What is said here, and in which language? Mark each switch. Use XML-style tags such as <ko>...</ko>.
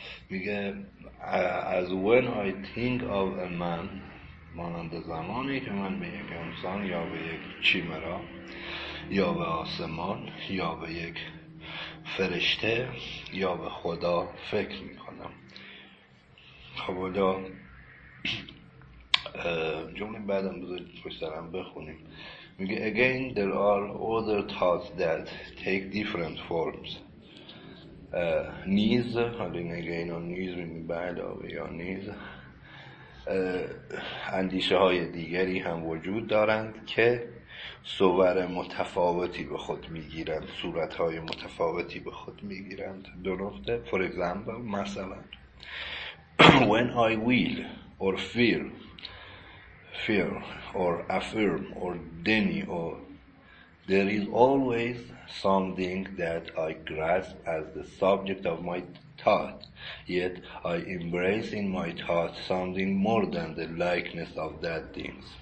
<fa>میگه از</fa> <en>when I think of a man،</en> <fa>مانند زمانی که من به یک انسان یا به یک چیمرا یا به آسمان یا به یک فرشته یا به خدا فکر میکنم. خب حالا جمله بعدم بذارید پشت سرم بخونیم.</fa> <en>میگه again there are other thoughts that take different forms.</en> <fa>نیز، حالا این</fa> <en>again on</en> <fa>نیز میگه بعد آبه یا نیز، اندیشه های دیگری هم وجود دارند که صور متفاوتی به خود میگیرند، صورت های متفاوتی به خود میگیرند.</fa> <en>درسته؟ For example، مثلا when I will or fear or affirm or deny or there is always something that I grasp as the subject of my thought, yet I embrace in my thought something more than the likeness of that thing.</en>